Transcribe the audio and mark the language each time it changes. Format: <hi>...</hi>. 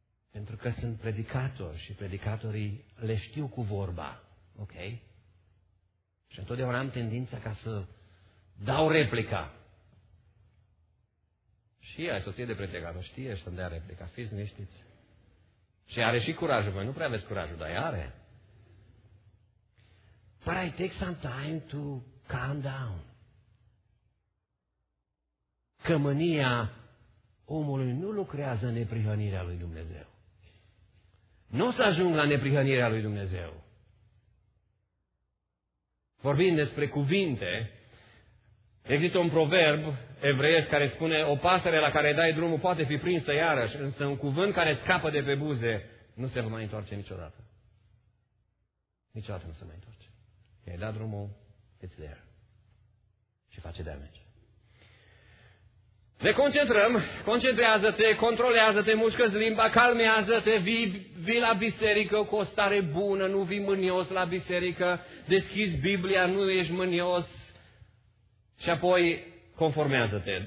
<ro>Pentru că sunt predicator și predicatorii le știu cu vorba. Ok? Și întotdeauna am tendința ca să dau replica. Și ea, soție de predicator, știe să-mi dea replica. Fiți niștiți. Și are și curajul. Voi nu prea aveți curajul, dar are.</ro> <en>But I take some time to calm down.</en> <ro>Că mânia omului nu lucrează în neprihănirea lui Dumnezeu. Nu o să ajung la neprihănirea lui Dumnezeu. Vorbind despre cuvinte, există un proverb evreiesc care spune o pasăre la care dai drumul poate fi prinsă iarăși, însă un cuvânt care scapă de pe buze nu se va mai întoarce niciodată. Niciodată nu se mai întoarce. I-ai dat drumul,</ro> <en>it's there.</en> <ro>Și face damage. Ne concentrăm, concentrează-te, controlează-te, mușcă-ți limba, calmează-te, vii la biserică cu o stare bună, nu vii mânios la biserică, deschizi Biblia, nu ești mânios și apoi conformează-te.</ro>